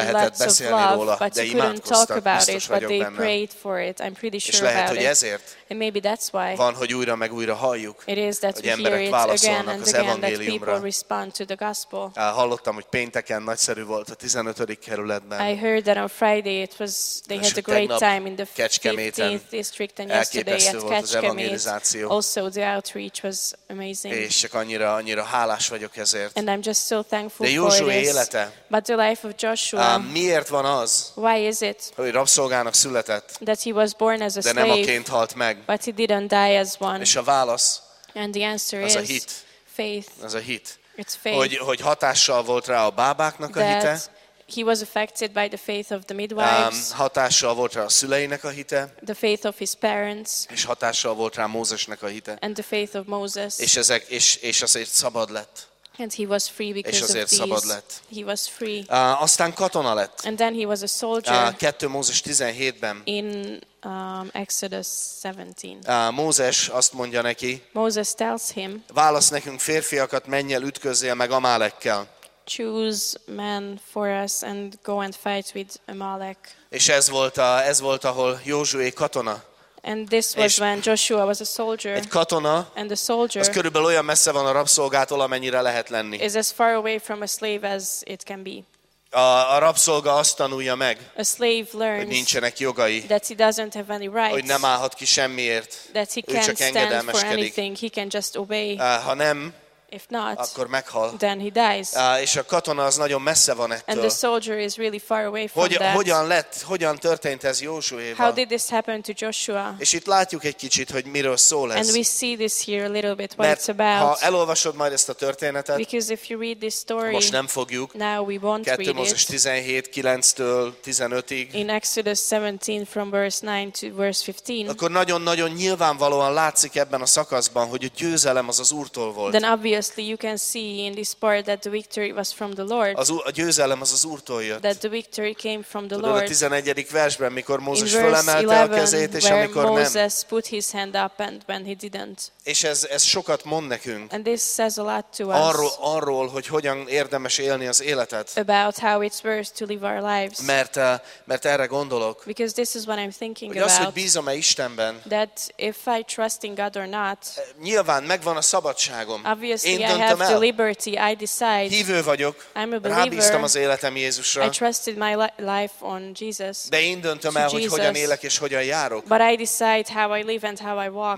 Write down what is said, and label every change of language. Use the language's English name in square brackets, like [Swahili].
[Hungarian] lehetett beszélni [English] of love, [Hungarian] róla, [English] but [Hungarian] de imádkoztak, biztos vagyok benne. [English] For it. I'm sure [Hungarian] és lehet, hogy [English] it. [Hungarian] Ezért [English] and maybe that's why [Hungarian] van, hogy újra meg újra halljuk, [English] it is that [Hungarian] hogy emberek válaszolnak [English] again [Hungarian] az evangéliumra. [English] Respond to the gospel. [Hungarian] Hallottam, hogy pénteken nagyszerű volt a 15. kerületben. [English] I heard that on Friday it was, they had a great time in the 15th district and yesterday at Kecskemét. Also the outreach was amazing. [Hungarian] És csak annyira hálás vagyok ezért. [English] And I'm just so thankful [Hungarian] de Józsué élete, [English] but the life of Joshua. [Hungarian] Miért van az? [English] Why is it? [Hungarian] Hogy rabszolgának született. [English] That he was born as a slave. [Hungarian] De nem aként halt meg. [English] But he didn't die as one. [Hungarian] És a válasz. [English] And the answer [Hungarian] az [English] is [Hungarian] a hit. [English] Faith. [Hungarian] Az a hit. [English] It's faith. [Hungarian] Hogy hatással volt rá a bábáknak a hite. [English] He was affected by the faith of the midwives. [Hungarian] Hatással volt rá a szüleinek a hite. [English] The faith of his parents. [Hungarian] És hatással volt rá Mózesnek a hite. [English] And the faith of Moses. [Hungarian] És ezek és azért szabad lett. [English] And he was free because [Hungarian] és azért [English] of [Hungarian] szabad [English] these. [Hungarian] Lett. [English] He was free. [Hungarian] Aztán katona lett. [English] And then he was a soldier. [Hungarian] 2 Mózes 17-ben. [English] In Exodus 17. [Hungarian] Mózes azt mondja neki. [English] Moses tells him. [Hungarian] Válasz nekünk férfiakat, menj el, ütközzél meg Amálekkel. [English] Choose men for us and go and fight with Amalek. [Hungarian] És ez volt ahol Józsué katona. [English] And this was when Joshua was a soldier. [Hungarian] Egy katona, [English] and the soldier [Hungarian] az körülbelül olyan messze van a rabszolgától, amennyire lehet lenni. [English] Is as far away from a slave as it can be. [Hungarian] A rabszolga azt tanulja meg, [English] a slave learns, [Hungarian] hogy nincsenek jogai, [English] that he doesn't have any rights, [Hungarian] hogy nem állhat ki semmiért, [English] that he can't [Hungarian] ő csak engedelmeskedik. [English] Stand for anything, he can just obey. [Hungarian] Ha nem, [English] if not, [Hungarian] akkor meghal. [English] Then he dies. [Hungarian] És a katona az nagyon messze van ettől. [English] And the soldier is really far away from [Hungarian] hogyan történt ez Józsuéval? [English] How did this happen to Joshua? [Hungarian] És itt látjuk egy kicsit, hogy miről szól ez. [English] And we see this here a little bit what it's about. [Hungarian] Ha elolvasod majd ezt a történetet, [English] because if you read this story, [Hungarian] most nem fogjuk. [English] Now we won't read it. [Hungarian] 2 Mózes 17:9-től 15-ig. [English] In Exodus 17 from verse 9 to verse 15. [Hungarian] Akkor nagyon-nagyon nyilvánvalóan látszik ebben a szakaszban, hogy a győzelem az Úrtól volt. [English] Then obviously you can see in this part that the victory was from the Lord. [Hungarian] A győzelem az az Úrtól jött. [English] That the victory came from the Lord. [Hungarian] 11. versben, mikor Mózes fölemelte a kezét, és amikor [English] Moses [Hungarian] nem. [English] Moses put his hand up and when he didn't. [Hungarian] És ez sokat mond nekünk. [English] And this says a lot to us. [Hungarian] Arról, hogy hogyan érdemes élni az életet. [English] About how it's worth to live our lives. [Hungarian] Mert erre gondolok. [English] Because this is what I'm thinking [Hungarian] hogy [English] about. [Hungarian] Hogy bízom-e Istenben. [English] That if I trust in God or not. [Hungarian] Nyilván megvan a szabadságom. [English] I have the liberty, I decide. [Hungarian] Hívő vagyok. [English] I'm a believer. [Hungarian] Rábíztam az életem Jézusra. [English] I trusted my life on Jesus. [Hungarian] De én döntöm el, hogy hogyan élek és hogyan járok. [English] But I decide how I live and how I walk.